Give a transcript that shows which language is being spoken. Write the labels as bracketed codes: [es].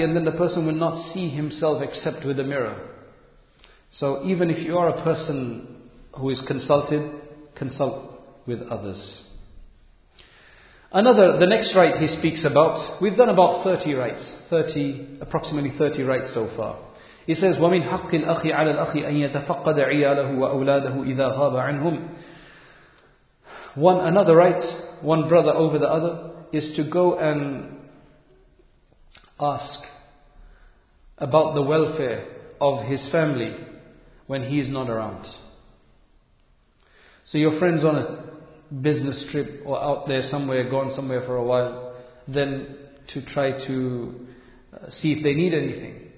[en] And then the person will not see himself except with a mirror. So even if you are a person who is consulted, consult with others. Another, the next right he speaks about, we've done about 30 rights so far. He says, [ar] وَمِنْ حَقِّ الْأَخِ عَلَى الْأَخِ أَنْ يَتَفَقَّدَ عِيَالَهُ وَأَوْلَادَهُ إِذَا غَابَ عَنْهُمْ. [en] One another right, one brother over the other, is to go and ask about the welfare of his family when he is not around. So your friend's on a business trip or out there somewhere, gone somewhere for a while, then to try to see if they need anything.